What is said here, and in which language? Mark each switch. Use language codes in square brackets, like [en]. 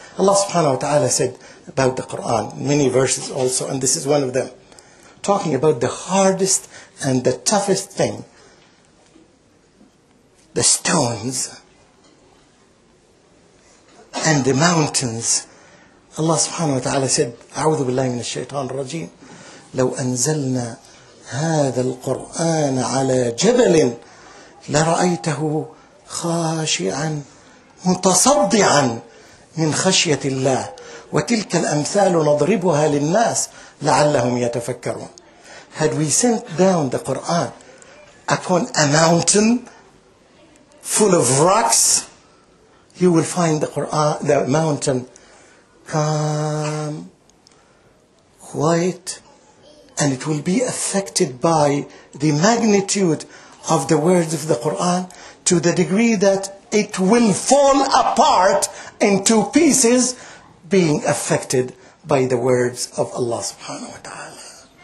[en] Allah subhanahu wa ta'ala said about the Quran, many verses also, and this is one of them, talking about the hardest and the toughest thing, the stones and the mountains. Allah subhanahu wa ta'ala said, [ar] أعوذ بالله من الشيطان الرجيم, لو أنزلنا هذا القرآن على جبل لرأيته خاشعا متصدعا من خشية الله وتلك الأمثال نضربها للناس لعلهم يتفكرون. [en] Had we sent down the Quran upon a mountain full of rocks, you will find the Quran, the mountain, calm, quiet, and it will be affected by the magnitude of the words of the Quran to the degree that it will fall apart into pieces being affected by the words of Allah subhanahu wa ta'ala.